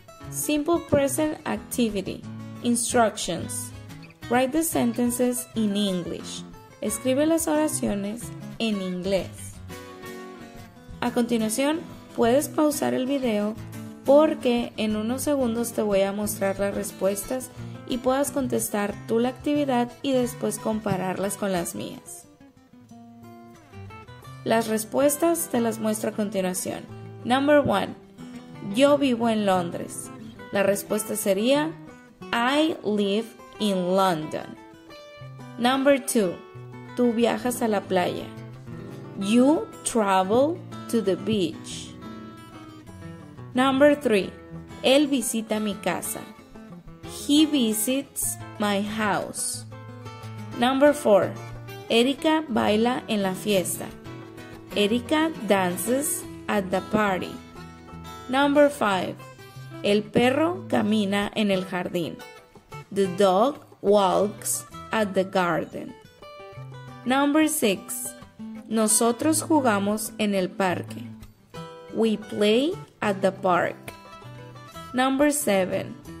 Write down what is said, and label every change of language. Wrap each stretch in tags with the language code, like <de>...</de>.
<en>Simple Present Activity. Instructions. Write the sentences in English.</en> <es>Escribe las oraciones en inglés. A continuación, puedes pausar el video porque en unos segundos te voy a mostrar las respuestas y puedas contestar tú la actividad y después compararlas con las mías. Las respuestas te las muestro a continuación.</es> <en>Number 1.</en> <es>Yo vivo en Londres. La respuesta sería,</es> <en>I live in London. Number 2.</en> <es>Tú viajas a la playa.</es> <en>You travel to the beach. Number 3.</en> <es>Él visita mi casa.</es> <en>He visits my house. Number 4.</en> <es>Erika baila en la fiesta.</es> <en>Erika dances at the party. Number 5.</en> <es>El perro camina en el jardín.</es> <en>The dog walks at the garden. Number 6.</en> <es>Nosotros jugamos en el parque.</es> <en>We play at the park. Number 7.</en>